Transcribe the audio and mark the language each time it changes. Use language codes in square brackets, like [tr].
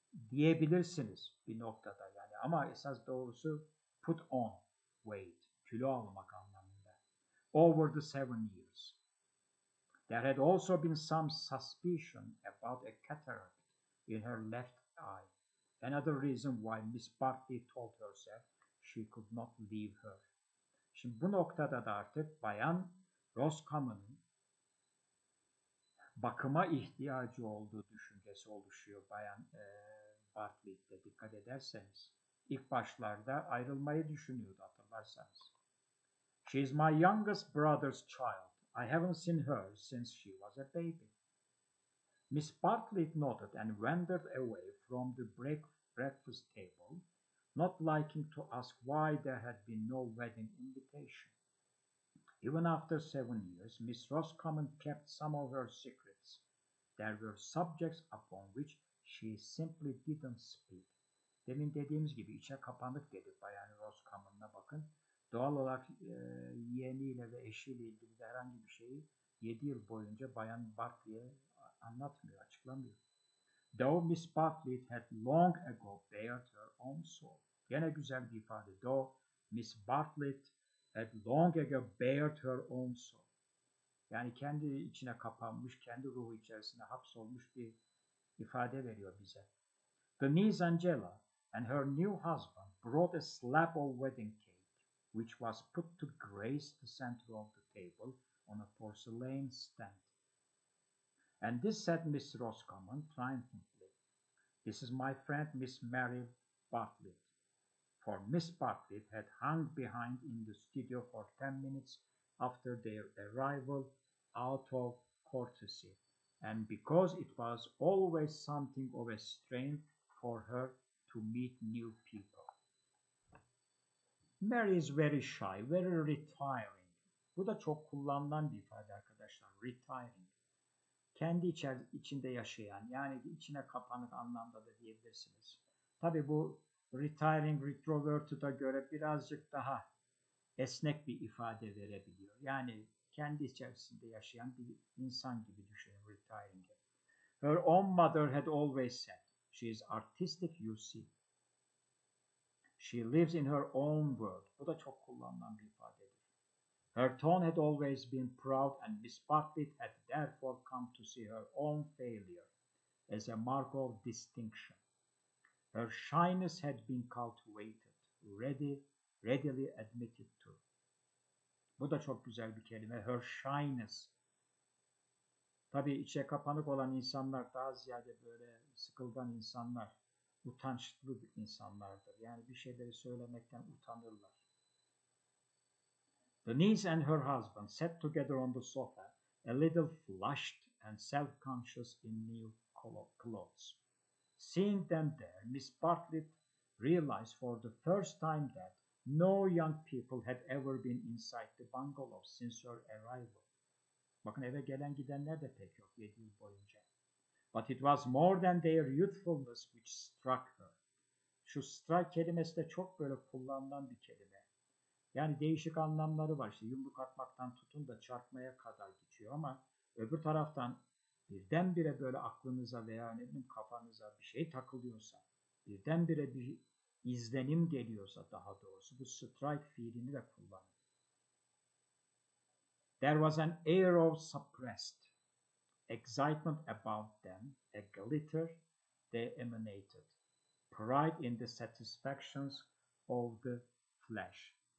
[tr] Diyebilirsiniz bir noktada yani, ama esas doğrusu put on weight, kilo almak anlamında. [en] Over the 7 years, there had also been some suspicion about a cataract in her left eye, another reason why Miss Barclay told herself she could not leave her. [tr] Şimdi bu noktada da artık Bayan Roscommon'un bakıma ihtiyacı olduğu düşüncesi oluşuyor Bayan Bartley'de, dikkat ederseniz. İlk başlarda ayrılmayı düşünüyordu, hatırlarsanız. [en] She is my youngest brother's child. I haven't seen her since she was a baby. Miss Bartlett nodded and wandered away from the breakfast table, not liking to ask why there had been no wedding invitation. Even after 7 years, Miss Roscommon kept some of her secrets. There were subjects upon which she simply didn't speak. [tr] Demin dediğimiz gibi içe kapanık dedik Bayan Roscommon'a bakın. Doğal olarak yeğeniyle ve eşiyle ilgili de herhangi bir şeyi 7 yıl boyunca Bayan Bartlett'e anlatmıyor, açıklamıyor. [en] Though Miss Bartlett had long ago bared her own soul. [tr] Yine güzel bir ifade. [en] Though Miss Bartlett had long ago bared her own soul. [tr] Yani kendi içine kapanmış, kendi ruhu içerisine hapsolmuş bir ifade veriyor bize. [en] Denise Angela and her new husband brought a slab of wedding cake, which was put to grace the center of the table on a porcelain stand. And this said Miss Roscommon triumphantly, "This is my friend Miss Mary Bartlett." For Miss Bartlett had hung behind in the studio for 10 minutes after their arrival out of courtesy, and because it was always something of a strain for her to meet new people. Mary is very shy, very retiring. [tr] Bu da çok kullanılan bir ifade arkadaşlar, retiring. Kendi içinde yaşayan, yani içine kapanık anlamda da diyebilirsiniz. Tabii bu retiring, retroverted'a göre birazcık daha esnek bir ifade verebiliyor. Yani kendi içerisinde yaşayan bir insan gibi düşünün retiring'i. [en] Her own mother had always said, "She is artistic, you see. She lives in her own world." [tr] Bu da çok kullanılan bir ifadedir. [en] Her tone had always been proud and Miss Bartlett had therefore come to see her own failure as a mark of distinction. Her shyness had been cultivated, readily admitted to. [tr] Bu da çok güzel bir kelime. Her shyness. Tabii içe kapanık olan insanlar daha ziyade böyle sıkılgan insanlar, utançlı insanlardır. Yani bir şeyleri söylemekten utanırlar. [en] Denise and her husband sat together on the sofa, a little flushed and self-conscious in new clothes. Seeing them there, Miss Bartlett realized for the first time that no young people had ever been inside the bungalow since her arrival. [tr] Bakın eve gelen gidenler de pek yok 7 yıl boyunca. [en] But it was more than their youthfulness which struck her. [tr] Şu strike kelimesi de çok böyle kullanılan bir kelime. Yani değişik anlamları var. İşte yumruk atmaktan tutun da çarpmaya kadar geçiyor ama öbür taraftan birdenbire böyle aklınıza veya ne bileyim kafanıza bir şey takılıyorsa, birdenbire bir izlenim geliyorsa daha doğrusu bu strike fiilini de kullanın. [en] There was an air of suppressed excitement about them, a glitter they emanated, pride in the satisfactions of the flesh.